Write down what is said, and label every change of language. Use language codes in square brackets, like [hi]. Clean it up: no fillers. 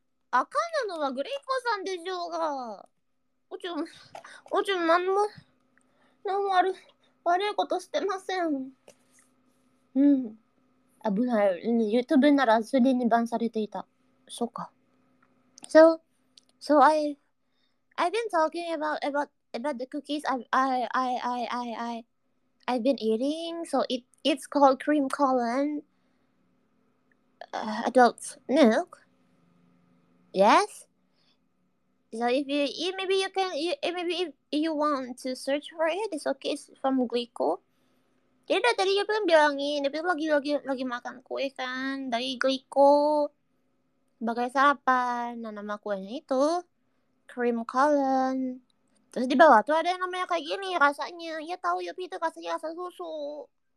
[ja] あかんなのはグリコさんでしょうが。おちょ、なんも悪いことしてません。危ない。YouTube ならすでにバンされていた。そうか。 [en] So I've been talking about the cookies I've been eating. So it's called cream corn adult milk. Yes. So if you eat, maybe you can. Maybe if you want to search for it, it's okay. It's from Glico. [id] Jadi dah tadi Yopi kan bilangin, tapi lagi makan kue kan dari Glico sebagai sarapan. Nah, nama kuenya itu cream corn. Terus di bawah tuh ada yang namanya kayak gini rasanya. Ya tahu Yopi itu rasanya rasa susu.